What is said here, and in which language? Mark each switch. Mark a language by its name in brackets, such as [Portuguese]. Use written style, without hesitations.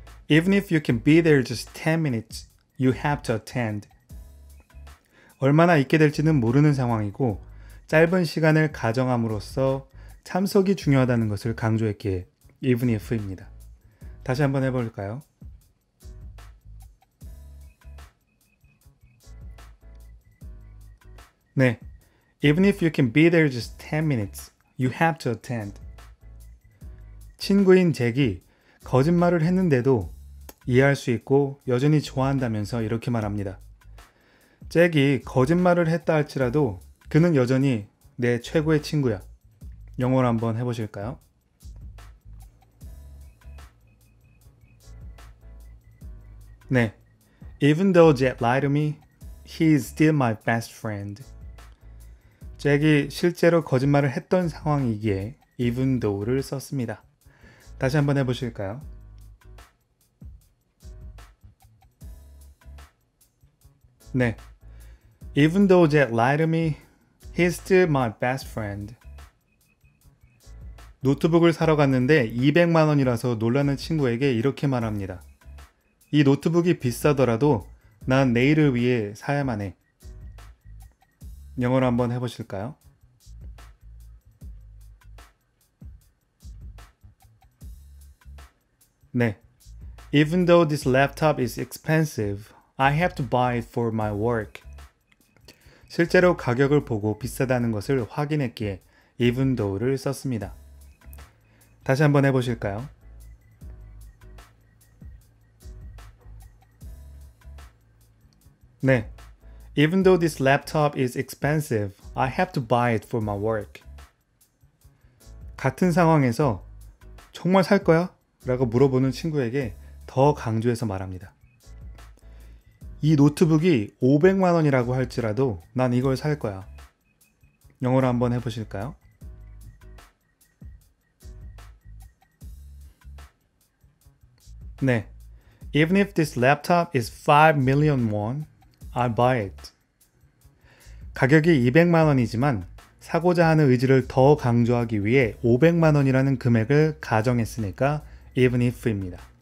[English] Even if you can be there just 10 minutes, you have to attend. [Korean] 얼마나 있게 될지는 모르는 상황이고 짧은 시간을 가정함으로써 참석이 중요하다는 것을 강조했기에 even if입니다. 다시 한번 해볼까요? [English] Even if you can be there just 10 minutes, you have to attend. [Korean] 친구인 잭이 거짓말을 했는데도 이해할 수 있고 여전히 좋아한다면서 이렇게 말합니다. 잭이 거짓말을 했다 할지라도 그는 여전히 내 최고의 친구야. 영어로 한번 해보실까요? [English] Even though Jack lied to me, he is still my best friend. [Korean] 잭이 실제로 거짓말을 했던 상황이기에 even though를 썼습니다. 다시 한번 해보실까요? [English] Even though Jack lied to me, he is still my best friend. [Korean] 노트북을 사러 갔는데 200만원이라서 놀라는 친구에게 이렇게 말합니다. 이 노트북이 비싸더라도 난 내일을 위해 사야만 해. 영어로 한번 해보실까요? [English] Even though this laptop is expensive, I have to buy it for my work. [Korean] 실제로 가격을 보고 비싸다는 것을 확인했기에 even though를 썼습니다. 다시 한번 해보실까요? [English] Even though this laptop is expensive, I have to buy it for my work. [Korean] 같은 상황에서 정말 살 거야? 라고 물어보는 친구에게 더 강조해서 말합니다. 이 노트북이 500만원이라고 할지라도 난 이걸 살 거야. 영어로 한번 해보실까요? [English] Even if this laptop is 5 million won, I'll buy it. [Korean] 가격이 200만원이지만 사고자 하는 의지를 더 강조하기 위해 500만원이라는 금액을 가정했으니까 even if입니다.